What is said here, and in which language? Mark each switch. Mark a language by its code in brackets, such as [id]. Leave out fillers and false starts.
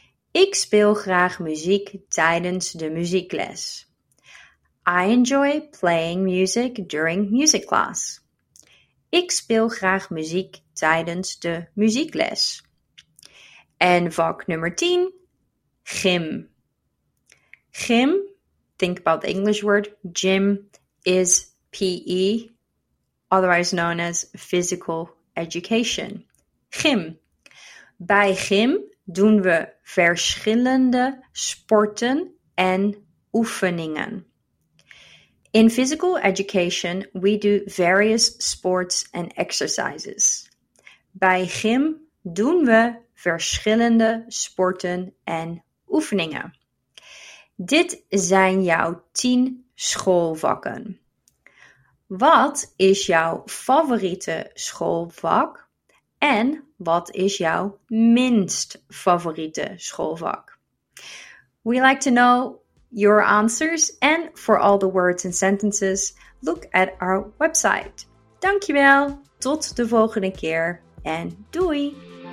[nl] Ik speel graag muziek tijdens de muziekles. [en] I enjoy playing music during music class. [nl] Ik speel graag muziek tijdens de muziekles. En vak nummer 10, gym. [en] Gym, think about the English word, gym, is PE, otherwise known as physical education. [nl] Gym. Bij gym doen we verschillende sporten en oefeningen. [en] In physical education, we do various sports and exercises. [nl] Bij gym doen we verschillende sporten en oefeningen. Dit zijn jouw 10 schoolvakken. Wat is jouw favoriete schoolvak? En wat is jouw minst favoriete schoolvak? [en] We like to know your answers. And for all the words and sentences, look at our website. [nl] Dankjewel, tot de volgende keer en doei!